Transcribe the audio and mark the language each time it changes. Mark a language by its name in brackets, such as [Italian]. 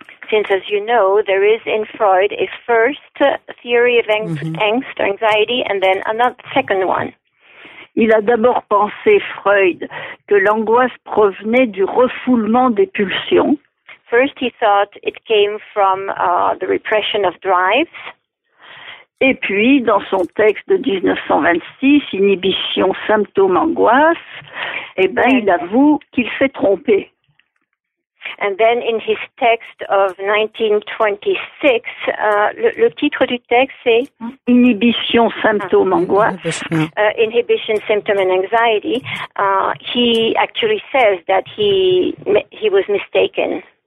[English] Since, as you know, there is in Freud a first theory of angst, anxiety, and then another second one. [French] Il a d'abord pensé, Freud, que l'angoisse provenait du refoulement des pulsions. [English] First he thought it came from the repression of drives. [French] Et puis, dans son texte de 1926, Inhibition, symptômes, angoisse, eh ben, il avoue qu'il s'est trompé. [English] And then in his text of 1926, le titre du texte c'est [French] Inhibition, symptôme, angoisse. [English] Inhibition, symptom and anxiety. He actually says that he was mistaken.